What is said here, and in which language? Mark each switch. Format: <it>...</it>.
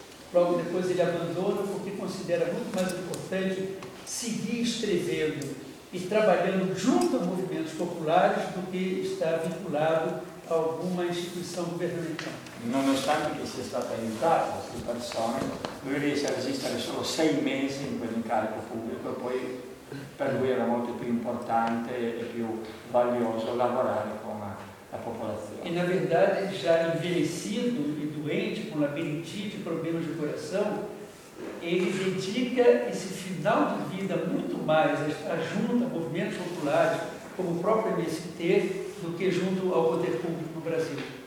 <pt>Logo depois ele abandona porque considera muito mais importante seguir escrevendo e trabalhando junto a movimentos populares do que estar vinculado a alguma instituição governamental.</pt> <it>Nonostante che sia stato aiutato da queste persone, lui riesce a resistere solo 6 mesi in quell'incarico pubblico, poi per lui era molto più importante e più valioso lavorare con la popolazione.</it> <pt>E na verdade, già envelhecido e doente, com labirintite, problemas de coração, ele dedica esse final de vida muito mais à junta, a movimentos populares, como o próprio MST, do que junto ao poder público no Brasil.</pt>